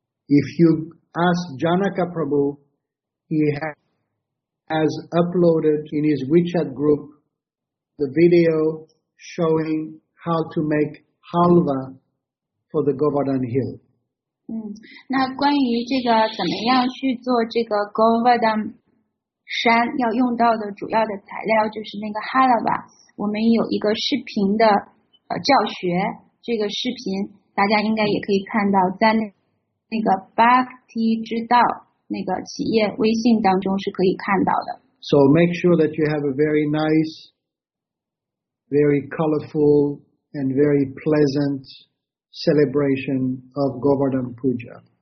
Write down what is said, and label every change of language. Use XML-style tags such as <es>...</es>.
<en>if you ask Janaka Prabhu, he has uploaded in his WeChat group the video showing how to make halva for the Govardhan Hill.</en> <zh>那关于这个怎么样去做这个Govardhan 山要用到的主要的材料就是那个哈拉瓦，我们有一个视频的教学，这个视频大家应该也可以看到，在那个Bhakti之道那个企业微信当中是可以看到的。So</zh> <en>make sure that you have a very nice, very colorful and very pleasant celebration of Govardhan Puja.</en>